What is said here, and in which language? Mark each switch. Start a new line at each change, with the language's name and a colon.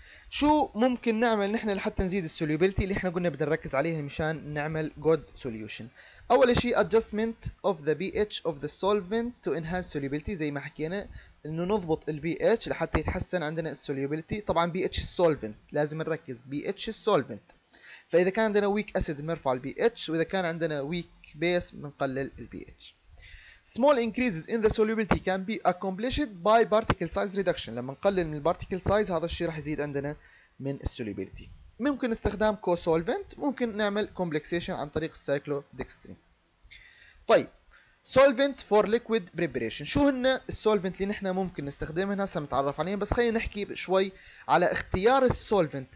Arabic: شو ممكن نعمل نحن لحتى نزيد السوليوبيلتي اللي احنا قلنا بدنا نركز عليها مشان نعمل good solution؟ أول شيء
English: adjustment of the pH of the solvent to enhance solubility،
Arabic: زي ما حكينا إنه نضبط الـ pH لحتى يتحسن عندنا السوليوبيلتي. طبعا pH solvent لازم نركز pH solvent، فإذا كان عندنا weak acid بنرفع الـ pH وإذا كان عندنا weak base بنقلل الـ pH.
English: Small increases in the solubility can be accomplished by particle size reduction.
Arabic: لما نقلل من البارتيكل سايز هذا الشيء راح يزيد عندنا من السوليبيليتي. ممكن استخدام كوسولفنت، ممكن نعمل كومبلكسيشن عن طريق السايكلودكستريم. طيب
English: solvent for liquid preparation,
Arabic: شو هن السولفنت اللي نحن ممكن نستخدمها؟ هسه متعرف عليهم، بس خلينا نحكي شوي على اختيار السولفنت.